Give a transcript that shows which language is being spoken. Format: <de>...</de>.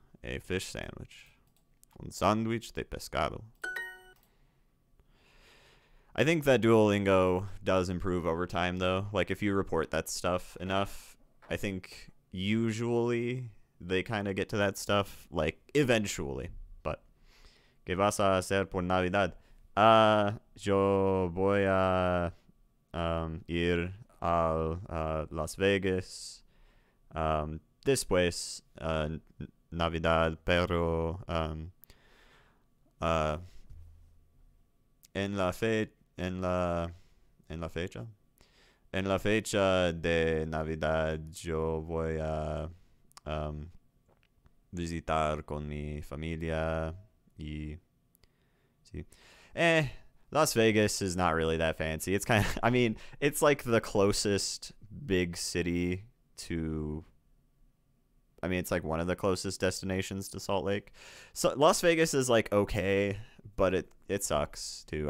<en>A fish sandwich.</en> <es>Un sandwich de pescado.</es> <en>I think that Duolingo does improve over time, though. Like, if you report that stuff enough, I think usually they kind of get to that stuff, like, eventually.</en> <es>But, ¿qué vas a hacer por Navidad? Yo voy a ir a Las Vegas después Navidad, pero en la fecha de Navidad yo voy a visitar con mi familia y sí.</es> <en>Las Vegas is not really that fancy. It's kind of, I mean, it's like the closest big city to, I mean, it's like one of the closest destinations to Salt Lake. So Las Vegas is like okay, but it sucks too.</en>